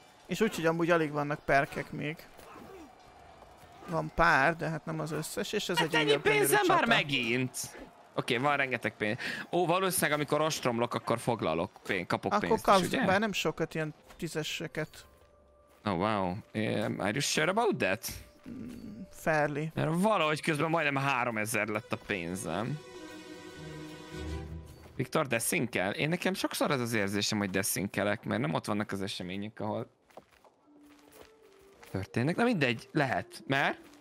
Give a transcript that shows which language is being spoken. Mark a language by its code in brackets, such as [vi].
[hu] És úgy, hogy amúgy alig vannak perkek még. Van pár, de hát nem az összes, és ez hát egy ennyi pénzem már megint! Oké, van rengeteg pénz. Ó, valószínűleg amikor ostromlok, akkor foglalok pénzt, kapok akkor pénzt. Akkor kapszunk már nem sokat ilyen tízeseket. [en] Oh wow, are you sure about that? Fairly. [hu] Mert valahogy közben majdnem 3000 lett a pénzem. Viktor, deszinkel? Én nekem sokszor az az érzésem, hogy deszinkelek, mert nem ott vannak az események, ahol... ...történnek. Na mindegy, lehet. Mert?